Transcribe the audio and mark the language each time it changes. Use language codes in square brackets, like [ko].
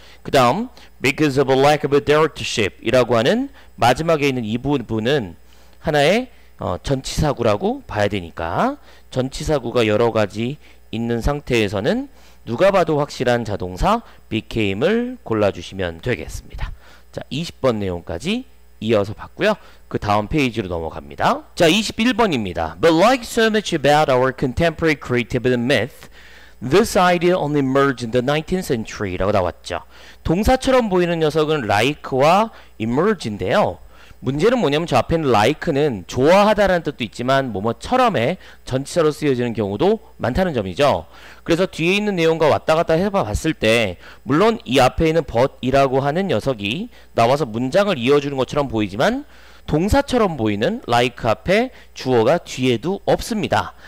[ko] 그 다음 because of a lack of a directorship 이라고 하는 마지막에 있는 이 부분은 하나의 전치사구라고 봐야 되니까 전치사구가 여러 가지 있는 상태에서는 누가 봐도 확실한 자동사 became을 골라주시면 되겠습니다. 자, 20번 내용까지 이어서 봤고요. 그 다음 페이지로 넘어갑니다. 자, 21번입니다. [en] But like so much about our contemporary creativity myth, this idea only emerged in the 19th century 라고 나왔죠. [ko] 동사처럼 보이는 녀석은 like와 emerge인데요. 문제는 뭐냐면 저 앞에 있는 like는 좋아하다라는 뜻도 있지만 뭐뭐처럼의 전치사로 쓰여지는 경우도 많다는 점이죠. 그래서 뒤에 있는 내용과 왔다 갔다 해봤을 때 물론 이 앞에 있는 but이라고 하는 녀석이 나와서 문장을 이어주는 것처럼 보이지만 동사처럼 보이는 like 앞에 주어가 뒤에도 없습니다.